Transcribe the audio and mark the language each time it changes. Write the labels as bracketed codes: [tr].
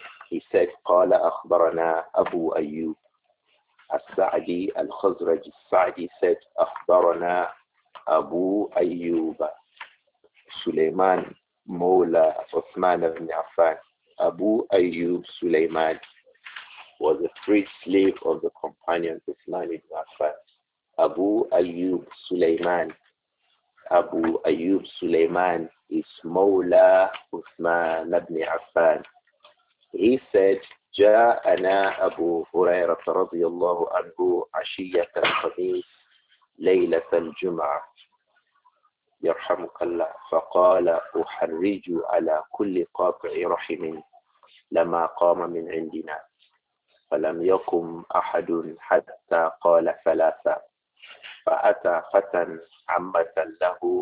[en] He said, [ar] "قال أخبرنا أبو أيوب السعدي الخزرج السعدي [en] said [ar] أخبرنا أبو أيوب سليمان مولى عثمان بن عفان." [en] Abu Ayyub Sulaiman was a freed slave of the companion Uthman ibn Affan. Abu Ayyub Sulaiman, Abu Ayyub Sulaiman is مولى عثمان بن عفان. He said, [ar] "جاءنا أبو هريرة رضي الله عنه عشية الخميس ليلة الجمعة يرحمك الله فقال أحرج على كل قاطع رحم لما قام من عندنا فلم يقم أحد حتى قال ثلاثة فأتى فتى عمة له